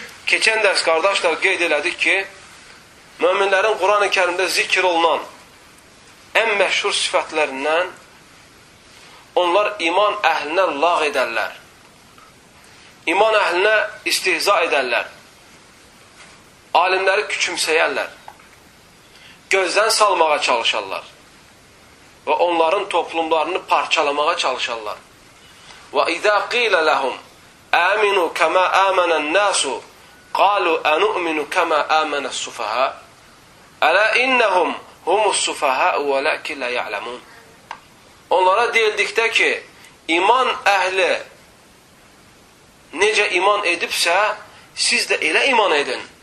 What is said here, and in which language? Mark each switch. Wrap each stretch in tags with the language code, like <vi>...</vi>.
<az>Keçən dərs qardaşlar qeyd elədik ki, möminlərin Quran-ı Kərimdə zikr olunan ən məşhur sifətlərindən onlar iman əhlinə lağ edərlər. İman əhlinə istihza edərlər. Alimləri küçümsəyərlər. Gözdən salmağa çalışarlar. Və onların toplumlarını parçalamağa çalışarlar.</az> <ar>وَإِذَا قِيلَ لَهُمْ أَمِنُوا كَمَا آمَنَ النَّاسُ قَالُوا أَنُؤْمِنُوا كَمَا آمَنَ السُّفَهَا أَلَا إِنَّهُمْ هُمُ السُّفَهَا وَلَكِ لَا يَعْلَمُونَ</ar> <az>Onlara deyildikdə ki, iman əhli necə iman edibsə, siz də elə iman edin.</az>